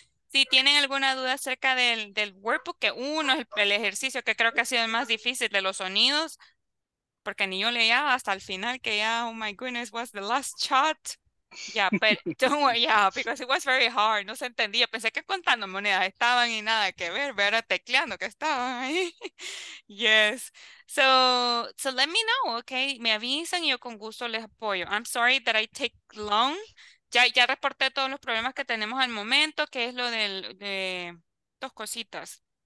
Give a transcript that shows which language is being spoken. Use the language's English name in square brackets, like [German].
[Spanish] Si tienen alguna duda acerca del workbook, que uno es el ejercicio que creo que ha sido el más difícil de los sonidos, porque ni yo leía hasta el final, que ya, [English] oh my goodness, was the last shot. Yeah, but don't worry, yeah, because it was very hard. [Spanish] No se entendía. Pensé que contando monedas estaban y nada que ver. Era tecleando que estaban ahí. [English] Yes. So let me know, okay? [Spanish] Me avisan y yo con gusto les apoyo. [English] I'm sorry that I take long. [Spanish] Ya reporté todos los problemas que tenemos al momento, que es lo de dos cositas.